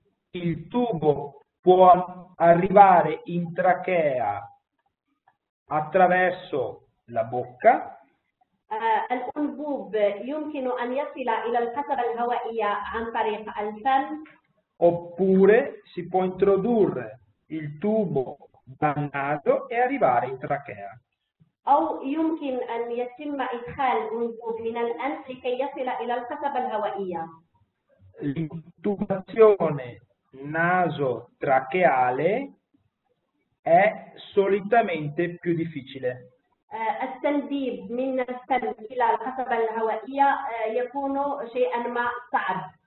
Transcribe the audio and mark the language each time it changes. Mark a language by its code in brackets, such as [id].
[it] Il tubo può arrivare in trachea attraverso la bocca. [ar] الأنبوب يمكن أن يصل إلى القطرة الهوائية عن طريق الفم. [it] Oppure si può introdurre il tubo dal naso e arrivare in trachea. [ar] أو يمكن أن يتم إدخال أنبوب من الأنف لكي يصل إلى القصبة الهوائية. [it] L'intubazione naso-tracheale è solitamente più difficile. [ar] التنبيب من الفم إلى القصبة الهوائية يكون شيئا ما صعب.